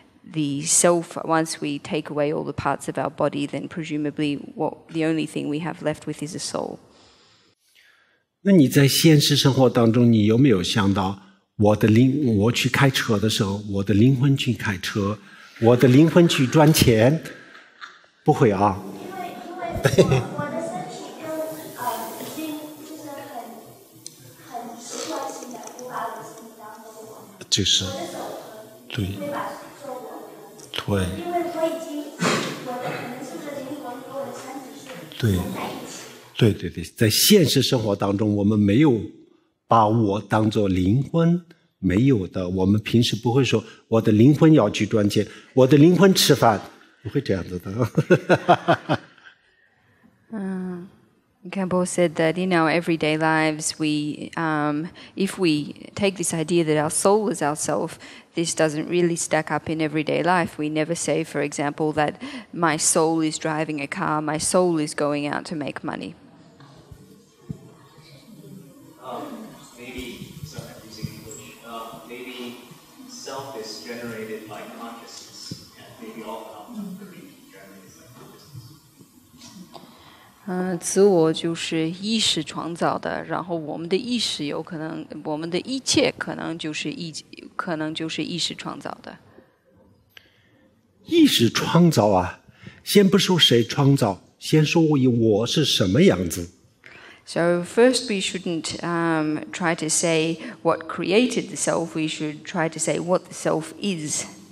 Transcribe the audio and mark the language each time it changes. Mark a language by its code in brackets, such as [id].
[en] The self, once we take away all the parts of our body, then presumably what the only thing we have left with is a soul. [zh] 那你在现实生活当中，你有没有想到我去开车的时候，我的灵魂去开车，我的灵魂去赚钱？不会啊。因为我的身体就是很习惯性的固化在身体当中的我。就是。对。对，因为我的灵魂和我的身体是对，对对对，在现实生活当中，我们没有把我当作灵魂，没有的。我们平时不会说我的灵魂要去赚钱，我的灵魂吃饭，不会这样子的。 [en] Campbell said that in our everyday lives, we, if we take this idea that our soul is ourself, this doesn't really stack up in everyday life. We never say, for example, that my soul is driving a car, my soul is going out to make money. Maybe, sorry, you said that, [zh] 自我就是意识创造的，然后我们的意识有可能，我们的一切可能就是意识创造的。意识创造啊，先不说谁创造，先说我是什么样子。 [en] So first we shouldn't try to say what created the self, we should try to say what the self is.